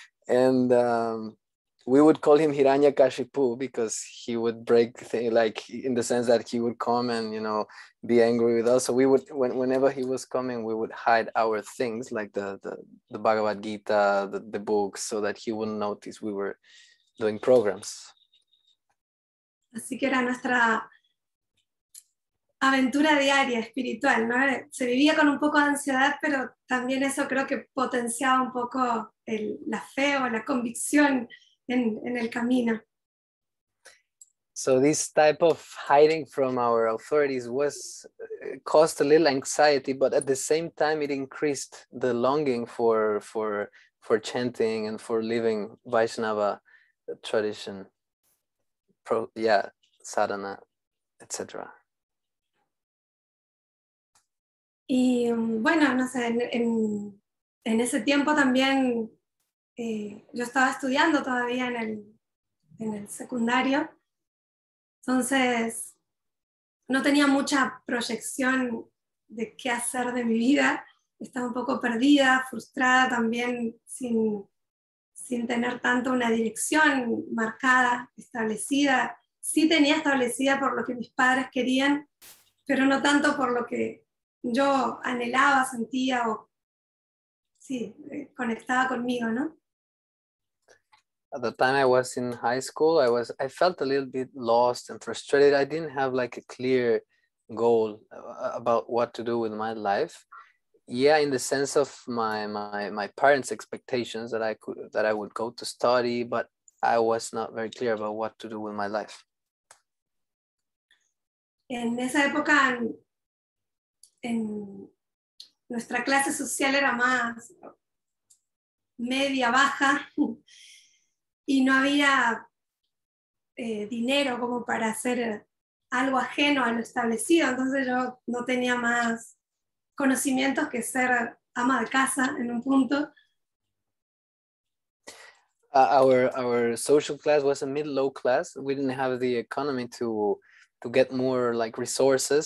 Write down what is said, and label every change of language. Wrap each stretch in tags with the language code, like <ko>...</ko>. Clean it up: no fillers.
<en>And we would call him Hiranyakashipu because he would break things, like in the sense that he would come and, you know, be angry with us. So we would, whenever he was coming, we would hide our things, like the Bhagavad Gita, the books, so that he wouldn't notice we were doing programs.</en> <es>Así que era nuestra aventura diaria espiritual, ¿no? Se vivía con un poco de ansiedad, pero también eso creo que potenciaba un poco la fe o la convicción en el camino.</es> <en>So this type of hiding from our authorities was caused a little anxiety, but at the same time it increased the longing for chanting and for living Vaishnava tradition. Sadhana, etc.</en> <es>Y bueno, no sé, en ese tiempo también yo estaba estudiando todavía en el secundario, entonces no tenía mucha proyección de qué hacer de mi vida, estaba un poco perdida, frustrada también, sin tener tanto una dirección marcada, establecida. Sí tenía establecida por lo que mis padres querían, pero no tanto por lo que yo anhelaba, sentía o sí, conectaba conmigo, ¿no?</es> <en>At the time I was in high school, I felt a little bit lost and frustrated. I didn't have like a clear goal about what to do with my life. Yeah, in the sense of my parents' expectations that I would go to study, but I was not very clear about what to do with my life.</en> <es>En esa época, en nuestra clase social era más media baja y no había dinero como para hacer algo ajeno a lo establecido, entonces yo no tenía más conocimientos que ser ama de casa en un punto.</es> <en>Our social class was a mid-low class. We didn't have the economy to get more like resources.</en>